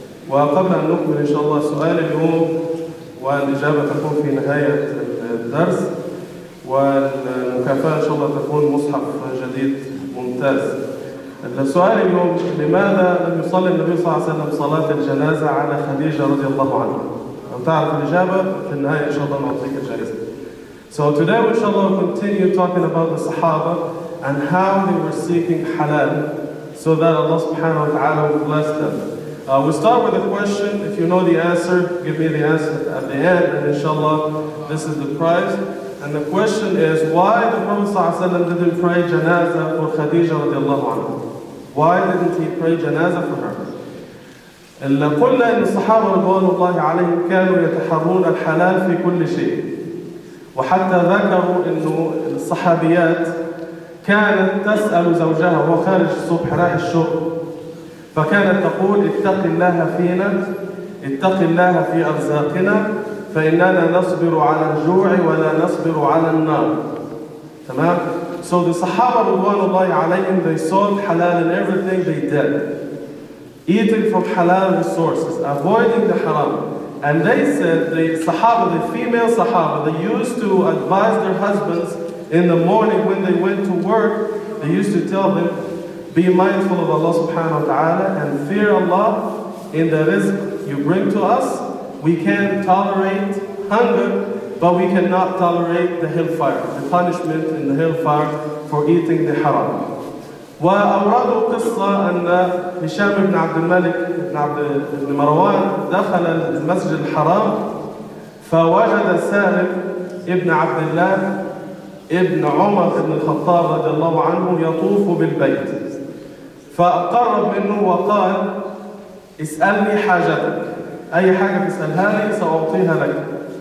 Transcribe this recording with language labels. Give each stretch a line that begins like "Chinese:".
Arabic: وقبل أن نكمل إن شاء الله سؤال اليوم، والإجابة تكون في نهاية الدرس، والمكافأة إن شاء الله تكون مصحف جديد ممتاز. السؤال اليوم: لماذا لم يصلي النبي صلى الله عليه وسلم صلاة الجنازة على خديجة رضي الله عنها؟ لو تعرف الإجابة في النهاية إن شاء الله نعطيك الجائزة.
English: So today we shall continue talking about the Sahaba and how they were seeking halal so that Allah subhanahu wa ta'ala would bless them. We start with a question. If you know the answer, give me the answer at the end, and inshallah this is the prize. And the question is, why the Prophet sallallahu alayhi wa sallam didn't pray janaza for Khadija radiallahu anha? Why didn't he pray janaza for her?
Arabic: إِلَّا قُلْنَا إِنَّ الصَّحَابَ رَضُوَانُ اللَّهِ عَلَيْهِمْ كَانُوا يَتَحَرُّونَ الْحَلَالِ فِي كُلِّ شَيْءٍ. وحتى ذكروا أنه الصحابيات كانت تسأل زوجها وهو خارج الصبح رايح الشغل، فكانت تقول: اتق الله فينا، اتق الله في أرزاقنا، فإننا نصبر على الجوع ولا نصبر على النار. تمام.
English: So the Sahaba رضوان الله عليهم، they sought halal in everything they did, eating from halal resources, avoiding the haram. And they said, the Sahaba, the female Sahaba, they used to advise their husbands in the morning when they went to work. They used to tell them, be mindful of Allah subhanahu wa ta'ala and fear Allah in the rizq you bring to us. We can tolerate hunger, but we cannot tolerate the hellfire, the punishment in the hellfire for eating the haram.
Arabic: وأورادوا قصة أن هشام بن عبد الملك بن مروان دخل المسجد الحرام فوجد سالم ابن عبد الله ابن عمر بن الخطاب رضي الله عنه يطوف بالبيت، فقرب منه وقال: اسألني حاجتك، أي حاجة تسألها لي سأعطيها لك.